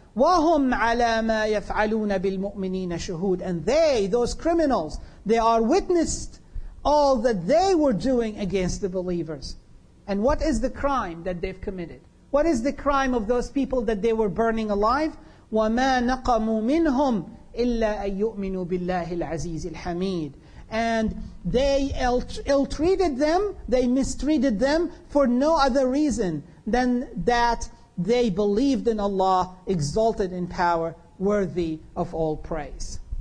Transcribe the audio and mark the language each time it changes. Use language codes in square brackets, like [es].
[ar] وهم على ما يفعلون بالمؤمنين شهود, [en] and they, those criminals, they are witnessed all that they were doing against the believers. And what is the crime that they've committed? What is the crime of those people that they were burning alive? [ar] وما نقموا منهم إلا أن يؤمنوا بالله العزيز الحميد. [en] And they ill-treated them, they mistreated them for no other reason than that they believed in Allah, exalted in power, worthy of all praise.